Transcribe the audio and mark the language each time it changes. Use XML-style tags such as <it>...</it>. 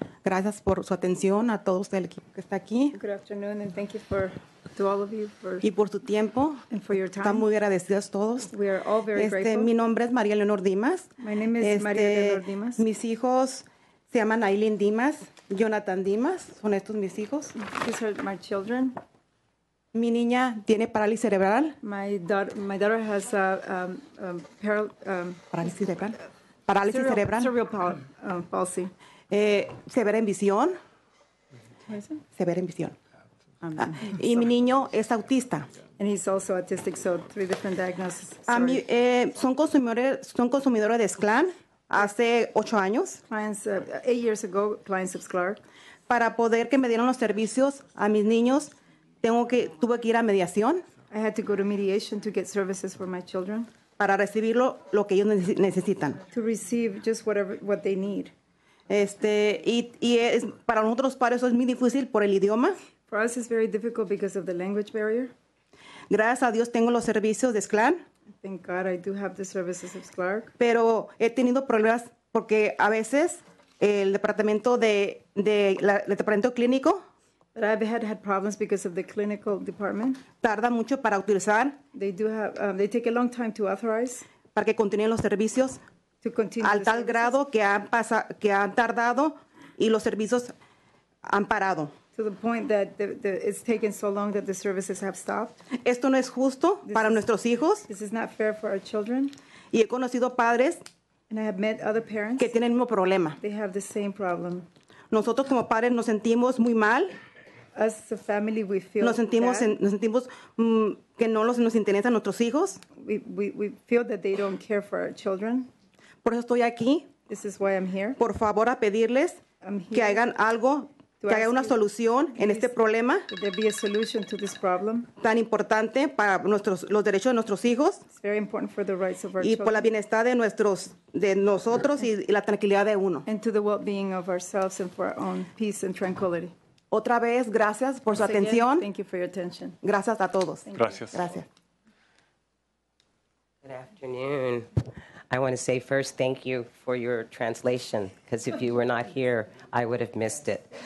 <es>Gracias por su atención a todos del equipo que está aquí.</es> <en>Good afternoon, and thank you to all of you for.</en> <es>Y por su tiempo.</es> <en>And for your time.</en> <es>Están muy agradecidos todos.</es> <en>We are all very grateful.</en> <es>Mi nombre es María Leonor Dimas.</es> <en>My name is María Leonor Dimas.</en> <es>Mis hijos se llaman Aileen Dimas, Jonathan Dimas. Son estos mis hijos.</es> <en>These are my children.</en> <es>Mi niña tiene parálisis cerebral.</es> <en>My daughter has a</en> <es>parálisis cerebral. Parálisis cerebral.</es> <en>Cerebral palsy.</en> <es>Severa en visión. Severa en visión. Y mi niño es autista.</es> <en>And he's also autistic, so three different diagnoses.</en> <es>Son consumidores de Sclar hace 8 años.</es> <en>Clients, 8 years ago, clients of Sclar.</en> <es>Para poder que me dieran los servicios a mis niños, tuve que ir a mediación.</es> <en>I had to go to mediation to get services for my children.</en> <es>Para recibirlo lo que ellos necesitan.</es> <en>To receive just what they need.</en> <es>Y es, para nosotros padres eso es muy difícil por el idioma.</es> <en>For us it's very difficult because of the language barrier.</en> <es>Gracias a Dios tengo los servicios de SCLAR.</es> <en>Thank God I do have the services of SCLAR.</en> <es>Pero he tenido problemas porque a veces el departamento el departamento clínico.</es> <en>But I've had problems because of the clinical department.</en> <es>Tarda mucho para utilizar.</es> <en>They do have. They take a long time to authorize.</en> <es>Para que continúen los servicios.</es> <en>To continue.</en> <es>Al tal grado que han tardado y los servicios han parado.</es> <en>To the point that it's taken so long that the services have stopped.</en> <es>Esto no es justo para nuestros hijos.</es> <en>This is not fair for our children.</en> <es>Y he conocido padres.</es> <en>And I have met other parents.</en> <es>Que tienen el mismo problema.</es> <en>They have the same problem.</en> <es>Nosotros como padres nos sentimos muy mal.</es> <en>As a family, we feel</en> <es>nos sentimos que no nos interesan nuestros hijos.</es> <en>We feel that they don't care for our children.</en> <es>Por eso estoy aquí.</es> <en>This is why I'm here.</en> <es>Por favor, a pedirles que hagan algo, que haya una solución en este problema.</es> <en>There be a solution to this problem.</en> <es>Tan importante para los derechos de nuestros hijos.</es> <en>It's very important for the rights of our children.</en> <es>Y por la bienestar de nosotros y la tranquilidad de uno.</es> <en>And to the well-being of ourselves and for our own peace and tranquility.</en> <es>Otra vez, gracias por su atención.</es> <en>Thank you for your attention.</en> <es>Gracias a todos. Gracias. Gracias.</es> <en>Good afternoon. I want to say first, thank you for your translation, because if you were not here, I would have missed it.</en>